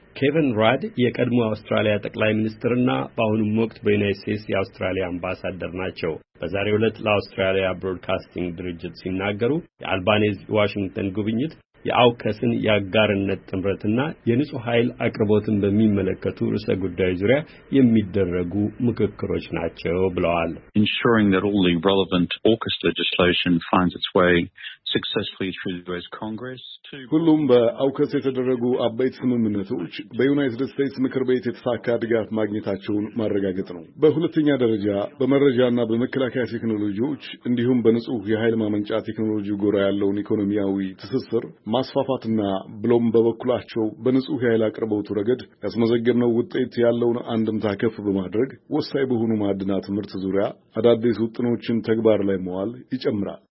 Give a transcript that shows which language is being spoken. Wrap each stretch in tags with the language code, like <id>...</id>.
<am>ኬቨን ራድ የቀድሞ አውስትራሊያ ጠቅላይ ሚኒስትርና በአሁኑም ወቅት በዩናይትድ ስቴትስ የአውስትራሊያ አምባሳደር ናቸው። በዛሬው ዕለት ለአውስትራሊያ ብሮድካስቲንግ ድርጅት ሲናገሩ የአልባኔዝ ዋሽንግተን ጉብኝት የአውከስን የአጋርነት ጥምረትና የንጹህ ኃይል አቅርቦትን በሚመለከቱ ርዕሰ ጉዳዮች ዙሪያ የሚደረጉ ምክክሮች ናቸው ብለዋል።</am> <en>Ensuring that all the relevant AUKUS legislation finds its way successfully through the US Congress to</en> <am>ሁሉም በአውከስ የተደረጉ አበይት ስምምነቶች በዩናይትድ ስቴትስ ምክር ቤት የተሳካ ድጋፍ ማግኘታቸውን ማረጋገጥ ነው። በሁለተኛ ደረጃ በመረጃና በመከላከያ ቴክኖሎጂዎች እንዲሁም በንጹህ የኃይል ማመንጫ ቴክኖሎጂ ጉዳይ ያለውን ኢኮኖሚያዊ ትስስር ማስፋፋትና ብሎም በበኩላቸው በንጹህ ኃይል አቅርቦት ረገድ ያስመዘገብነው ውጤት ያለውን አንድምታ ከፍ በማድረግ ወሳኝ በሆኑ ማዕድናት ምርት ዙሪያ አዳዲስ ውጥኖችን ተግባር ላይ መዋል ይጨምራል።</am>